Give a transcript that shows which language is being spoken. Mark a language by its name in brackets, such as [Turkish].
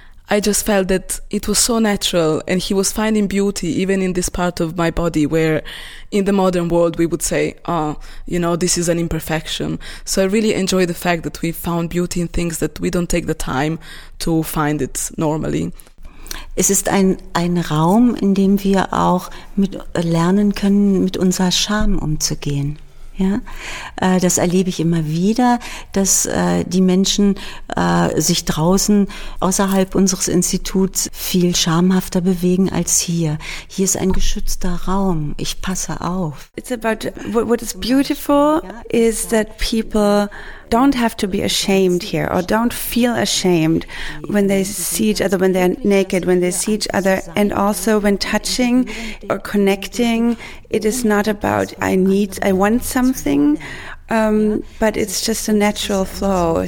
[English] I just felt that it was so natural, and he was finding beauty even in this part of my body where in the modern world we would say, oh, you know, this is an imperfection. So I really enjoy the fact that we found beauty in things that we don't take the time to find it normally. [German] Es ist ein Raum, in dem wir auch mit lernen können, mit unserer Scham umzugehen. Ja, das erlebe ich immer wieder, dass die Menschen sich draußen außerhalb unseres Instituts viel schamhafter bewegen als hier. Hier ist ein geschützter Raum. Ich passe auf. [English] It's about what is beautiful is that people don't have to be ashamed here or don't feel ashamed when they see each other, when they're naked, when they see each other, and also when touching or connecting, it is not about I want something, but it's just a natural flow.